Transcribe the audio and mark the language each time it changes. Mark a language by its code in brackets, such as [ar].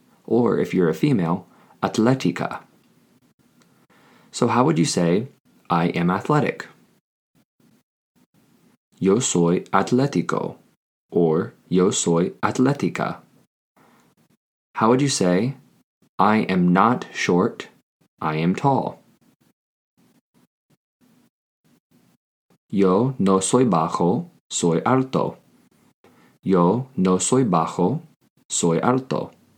[en] Or if you're a female, atlética. So how would you say, I am athletic? [es] Yo soy atlético, or yo soy atlética. [en] How would you say, I am not short, I am tall? [es] Yo no soy bajo, soy alto. Yo no soy bajo, soy alto.